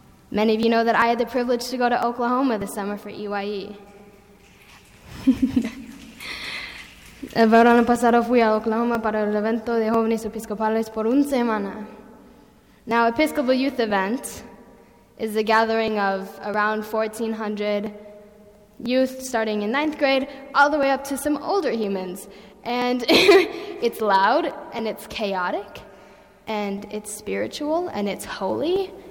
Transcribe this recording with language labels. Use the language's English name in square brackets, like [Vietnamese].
[English] Many of you know that I had the privilege to go to Oklahoma this summer for EYE. [Spanish] El verano pasado fui a Oklahoma para el evento de jóvenes episcopales por una semana. [English] Now, Episcopal Youth Event is a gathering of around 1,400 youth starting in ninth grade all the way up to some older humans. And it's loud, and it's chaotic, and it's spiritual, and it's holy.